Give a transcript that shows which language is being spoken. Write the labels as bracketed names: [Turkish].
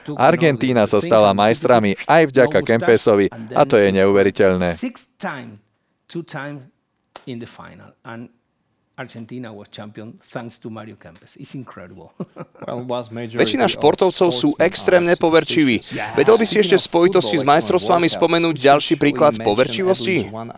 [Slovak] Argentína sa stala majstrami aj vďaka Kempesovi a to je neuveriteľné. [English] Two times in the final, and Argentina was champion thanks to Mario Kempes. It's incredible. [Slovak] Väčšina športovcov sú extrémne poverčiví. Vedel by si ešte v spojitosti s majstrovstvami spomenúť ďalší príklad poverčivosti?